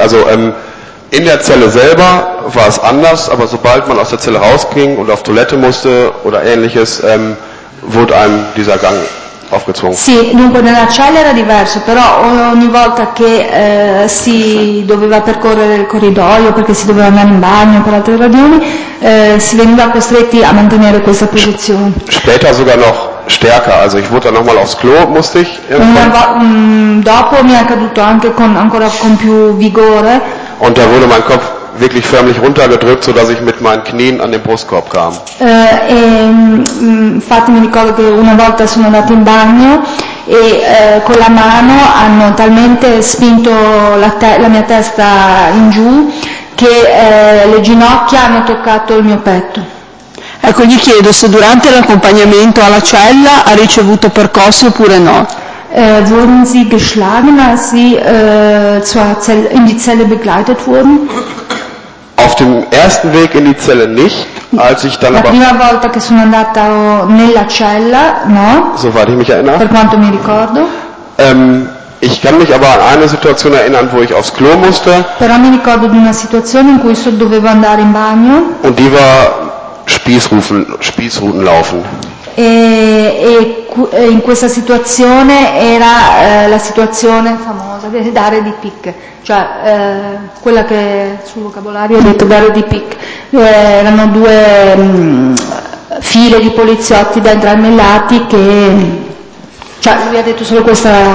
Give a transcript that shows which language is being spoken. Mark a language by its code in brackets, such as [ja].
[de] Also in der Zelle selber war es anders, aber sobald man aus der Zelle rausging und auf Toilette musste oder ähnliches, wurde einem dieser Gang aufgezwungen. [it] Sì, dunque nella cella era diverso, però ogni volta che si doveva percorrere il corridoio, perché si doveva andare in bagno per altre ragioni, si veniva costretti a mantenere questa posizione. [de] Später sogar noch stärker, also ich wurde nochmal aufs Klo, musste ich irgendwann. [it] Dopo mi è accaduto anche ancora con più vigore. [de] Und da wurde mein Kopf wirklich förmlich runtergedrückt, so dass ich mit meinen Knien an den Brustkorb kam. [it] Infatti mi ricordo che una volta sono andato in bagno e con la mano hanno talmente spinto la mia testa in giù che le ginocchia hanno toccato il mio petto. Ecco, gli chiedo se durante l'accompagnamento alla cella ha ricevuto percosse oppure no. [de] Wurden Sie geschlagen, als Sie in die Zelle begleitet wurden? Auf dem ersten Weg in die Zelle nicht, als ich dann aber... [it] La prima volta che sono andata nella cella, no? [de] Soweit ich mich erinnere. [it] Per quanto mi ricordo. [de] Ich kann mich aber an eine Situation erinnern, wo ich aufs Klo musste. [it] Però mi ricordo di una situazione in cui dovevo andare in bagno. [de] Und die war Spießrouten laufen. [it] E in questa situazione era la situazione famosa di dare di pic, cioè quella che sul vocabolario ha detto dare di pic, erano due file di poliziotti da entrambi i lati che, cioè lui ha detto solo questa...